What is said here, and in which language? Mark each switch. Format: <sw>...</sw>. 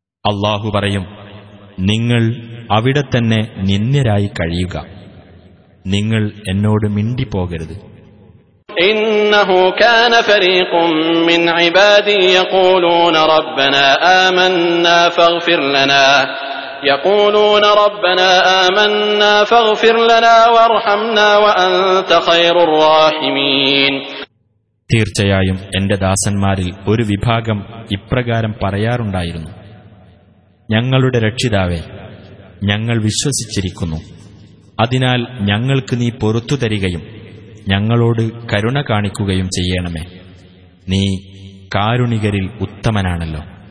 <ml>അല്ലാഹു പറയും, നിങ്ങൾ അവിടെ തന്നെ നിന്ദ്യരായി കഴിയുക, നിങ്ങൾ എന്നോട് മിണ്ടിപ്പോകരുത്.</ml> <ar>إنه كان فريق من عبادي يقولون ربنا آمنا فاغفر لنا يقولون ربنا آمنا فاغفر لنا وارحمنا وأنت خير الراحمين.</ar> <ml>തീർച്ചയായും എന്റെ ദാസന്മാരിൽ ഒരു വിഭാഗം ഇപ്രകാരം പറയാറുണ്ടായിരുന്നു, ഞങ്ങളുടെ രക്ഷിതാവേ, ഞങ്ങൾ വിശ്വസിച്ചിരിക്കുന്നു, അതിനാൽ ഞങ്ങൾക്ക് നീ പൊറുത്തു തരികയും ഞങ്ങളോട് കരുണ കാണിക്കുകയും ചെയ്യണമേ, നീ കാരുണികരിൽ ഉത്തമനാണല്ലോ.</ml>